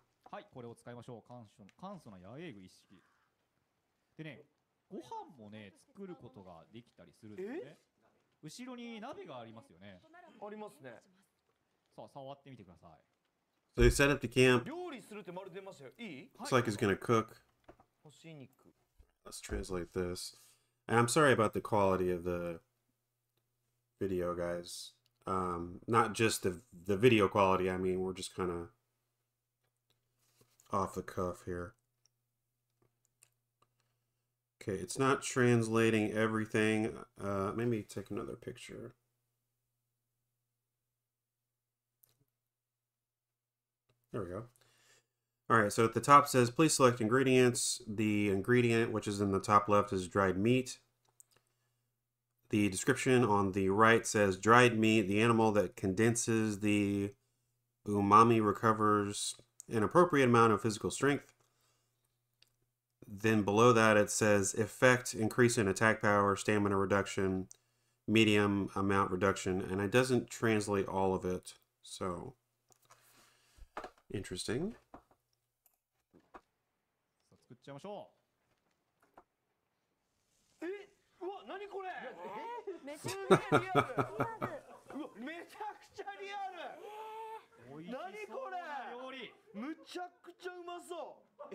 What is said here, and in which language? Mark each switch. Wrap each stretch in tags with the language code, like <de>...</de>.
<ja>はい、これを使いましょう。簡素な野営具一式。でね、ご飯もね、作ることができたりするんですね。後ろに鍋がありますよね。ありますね。触ってみてください。</ja> <en>So they set up the camp.</en> <ja>料理するってまるで出ましたよ。いい？</ja> <en>Looks like he's gonna cook.</en> <ja>干し肉。</ja> <en>Let's translate this. And I'm sorry about the quality of the video, guys. Not just the video quality. I mean, we're just kind of off the cuff here. Okay, it's not translating everything. Maybe take another picture. There we go. All right, so at the top says, please select ingredients. The ingredient, which is in the top left, is dried meat. The description on the right says, dried meat, the animal that condenses the umami recovers an appropriate amount of physical strength. Then below that, it says, effect, increase in attack power, stamina reduction, medium amount reduction. And it doesn't translate all of it, so interesting.</en> <ja>さあ作っちゃいましょう。え、うわ、何これ。めちゃめちゃリアル。めちゃくちゃリアル。何これ。料理。むちゃくちゃうまそう。</ja>